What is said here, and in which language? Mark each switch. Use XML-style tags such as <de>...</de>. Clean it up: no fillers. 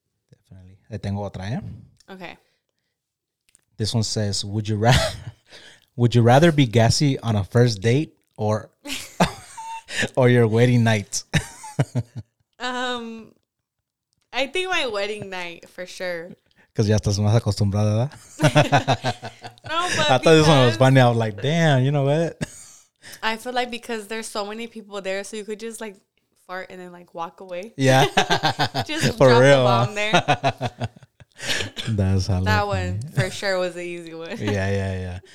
<en>Definitely.</en> <es>Le tengo otra, ¿eh?</es> <en>Okay. This one says, would you rather be gassy on a first date or or your wedding night? I think my wedding night, for sure. Because</en> <es>ya estás más acostumbrada, ¿verdad?</es> <en>I thought this one was funny. I was like, damn, you know what? I feel like because there's so many people there, so you could just, like, fart and then, like, walk away. Yeah. Just for drop real, the bomb, huh? There. That's how that one for sure was the easy one. Yeah.</en>